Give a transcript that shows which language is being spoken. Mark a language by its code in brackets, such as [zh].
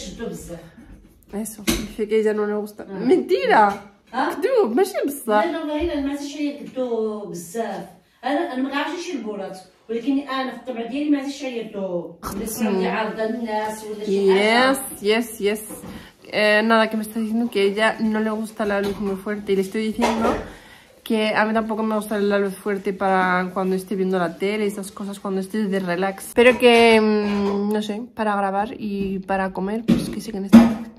[es] Karima no tiene mucha luz. Eso, dice que ella no le gusta. Mentira. [ar] كذوب ماشي بصح لا لا غير ما عزيزش عليا كدو بزاف انا ما عرفتش البولات ولكن انا في الطبع ديالي ما عزيزش عليا كدو بزاف عارضه الناس ولا شي [es] يس يس يس nada, que me está diciendo que ella no le gusta la luz muy fuerte y le estoy diciendo que a mí tampoco me gusta la luz fuerte para cuando esté viendo la tele, esas cosas, cuando esté de relax. Pero que, no sé, para grabar y para comer, pues que sí que necesito.